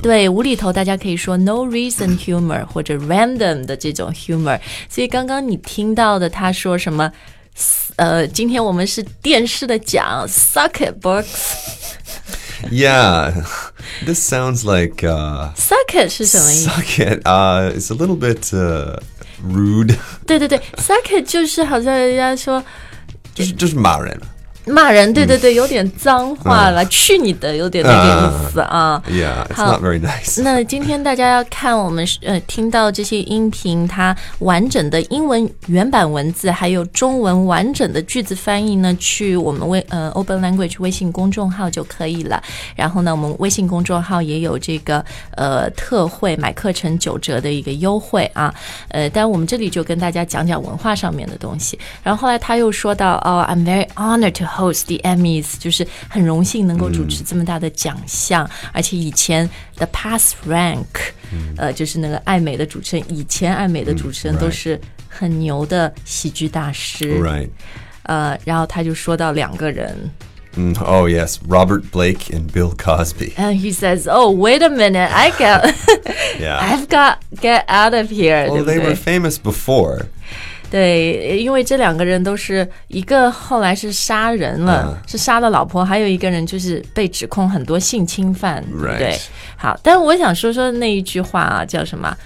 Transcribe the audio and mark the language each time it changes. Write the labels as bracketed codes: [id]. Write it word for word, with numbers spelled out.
[zh] 对，无厘头大家可以说 [en] no reason humor [zh] 或者 random 的这种 humor。所以刚刚你听到的他说什么，呃，今天我们是电视的奖 [en] suck it books Yeah, this sounds like... Uh, suck it [zh] 是什么意思？ [en] Suck it, uh, it's a little bit uh, rude. [zh] 对对对 [en] suck it [zh] 就是好像人家说就是就是骂人骂人，对对对，有点脏话了、嗯、去你的，有点那个意思啊。 [en] Uh, yeah, it's not very nice. [zh] 那今天大家要看我们、呃、听到这些音频，它完整的英文原版文字还有中文完整的句子翻译呢，去我们微、呃、Open Language 微信公众号就可以了。然后呢，我们微信公众号也有这个呃特惠，买课程九折的一个优惠啊。呃，但我们这里就跟大家讲讲文化上面的东西。然后后来他又说到，哦、 [en] oh, I'm very honored to host host the Emmys， [zh] 就是很荣幸能够主持这么大的奖项、嗯、而且以前 [en] the past rank、 [zh] 嗯、呃，就是那个艾美的主持人，以前艾美的主持人都是很牛的喜剧大师、 [en] 嗯 right. [zh] 呃，然后他就说到两个人、 [en] 嗯、Oh yes, Robert Blake and Bill Cosby. And he says, oh wait a minute, I got, yeah. I've got get out of here. Well, [zh] 对不对？ [en] they were famous before [zh] 对，因为这两个人都是一个后来是杀人了，嗯是杀了老婆，还有一个人就是被指控很多性侵犯， [en] Right. [zh] 对不对？好，但我想说说那一句话啊，叫什么？